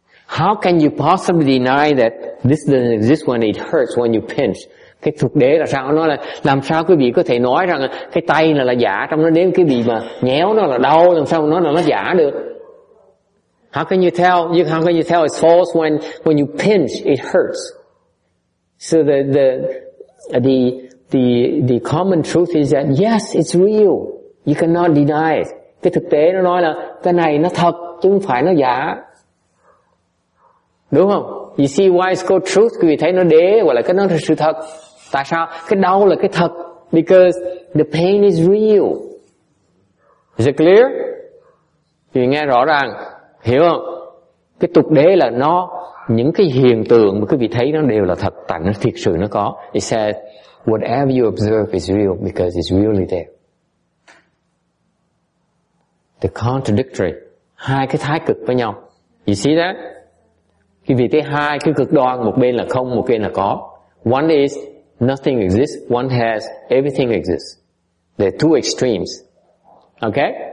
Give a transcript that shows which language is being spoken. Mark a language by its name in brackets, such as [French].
[English] How can you possibly deny that this doesn't exist when it hurts, when you pinch? [Vietnamese] Cái thực đế là sao? Nó là làm sao quý vị có thể nói rằng cái tay là giả, trong nó đến cái gì mà nhéo nó là đau, làm sao nó là nó giả được? [English] How can you tell it's false when you pinch it hurts? So the common truth is that yes, it's real. You cannot deny it. [Vietnamese] Cái thực tế nó nói là cái này nó thật chứ không phải nó giả. Đúng không? [English] You see why it's called truth? [Vietnamese] Quý vị thấy nó đế hoặc là cái nó là sự thật. Tại sao? Cái đau là cái thật. [English] Because the pain is real. Is it clear? [Vietnamese] Quý vị nghe rõ ràng. Hiểu không? Cái tục đế là nó, những cái hiện tượng mà quý vị thấy nó đều là thật. Tại nó thiệt sự nó có. [English] It says, whatever you observe is real because it's really there. The contradictory. [Vietnamese] Hai cái thái cực với nhau. [English] You see that? [Vietnamese] Quý vị thấy hai cái cực đoan, một bên là không, một bên là có. [English] One is nothing exists, one has everything exists. They're two extremes. Okay?